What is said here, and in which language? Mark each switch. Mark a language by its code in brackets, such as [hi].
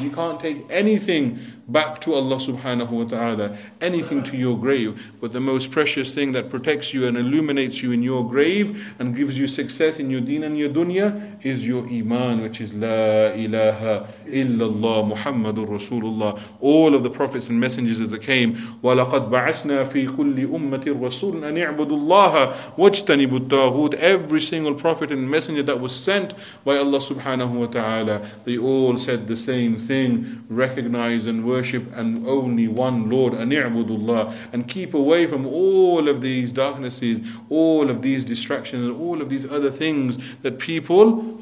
[en] You can't take anything back to Allah subhanahu wa ta'ala, anything to your grave. But the most precious thing that protects you and illuminates you in your grave and gives you success in your deen and your dunya is your iman, which is [ar] La ilaha illallah Muhammadur Rasulullah. [en] All of the prophets and messengers that came, [ar] وَلَقَدْ بَعَثْنَا فِي كُلِّ أُمَّةٍ رَسُولٍ أَنْ يَعْبُدُ اللَّهَ وَاجْتَنِبُ الطَّاغُوتِ. [en] Every single prophet and messenger that was sent by Allah subhanahu wa ta'ala, they all said the same thing, recognize and worship and only one Lord, an i'budullah, and keep away from all of these darknesses, all of these distractions, and all of these other things that people